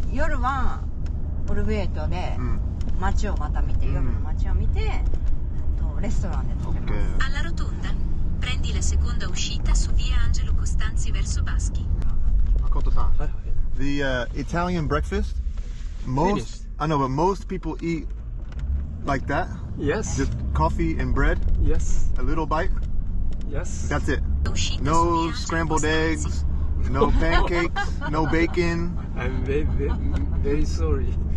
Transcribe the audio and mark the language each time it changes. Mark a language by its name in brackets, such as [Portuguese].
[Japanese] 夜はオルビエトで街をまた見て、夜の街を見て、レストランで食べます。 [English] Okay. [Italian] Alla rotonda, prendi la seconda uscita su Via Angelo Costanzi verso Baschi. [English] Makoto san, the Italian breakfast, most Finished. I know, but most people eat like that. Yes. Just coffee and bread. Yes. A little bite. Yes. That's it. No scrambled eggs, no pancakes, no bacon. I'm very, very, very sorry.